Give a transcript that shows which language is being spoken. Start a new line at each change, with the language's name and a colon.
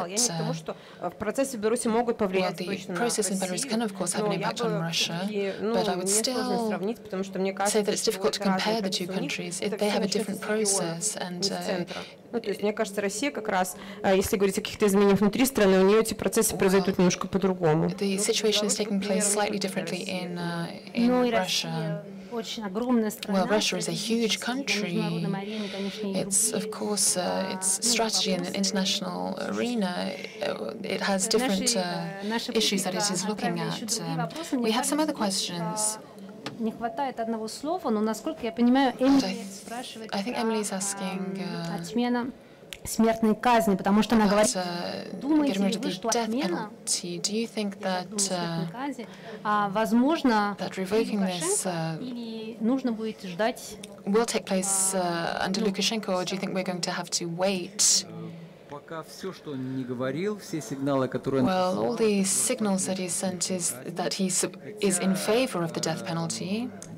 English: Well, the process in Belarus can, of course, have an impact on Russia, but I would still say that it's difficult to compare the two countries. They have a different process. And
Russian: ну, то есть, мне кажется, Россия как раз, если говорить о каких-то изменениях внутри страны, у нее эти процессы произойдут немножко по-другому.
English: The situation is taking place slightly differently in Russia. Well, Russia is a huge country. It's, of course, its strategy in an international arena. It has different issues that it is looking at. We have some other questions.
Russian: Не хватает одного слова, но насколько я понимаю, Эмили спрашивает отмена смертной казни, потому что она говорит, думаете ли вы, что отмена смертной казни, возможно, или нужно будет ждать?
English: Will take place under Lukashenko, or do you think we're going to have to wait? Well, all the signals that he sent is that he is in favor of the death penalty.